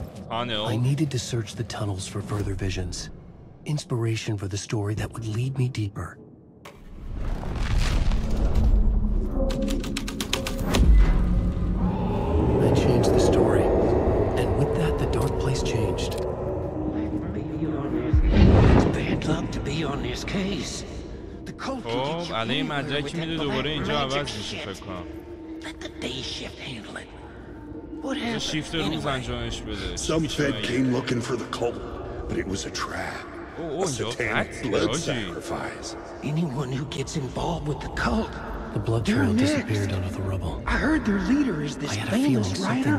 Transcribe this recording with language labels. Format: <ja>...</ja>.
<en>I needed to search the tunnels for further visions, inspiration for the story that would lead me deeper. I changed the story, and with that, the dark place changed. It's bad luck to be on this case.</en> <fa>خب علی مدرکی میده دوباره اینجا عوض میشه فکر کنم.</fa> <en>Let the day shift handle it. What happened? Anyway, some fed came looking for the cult, but it was a trap. A satanic blood sacrifice. Anyone who gets involved with the cult, the blood trail disappeared under the rubble. I heard their leader is this famous writer,</en>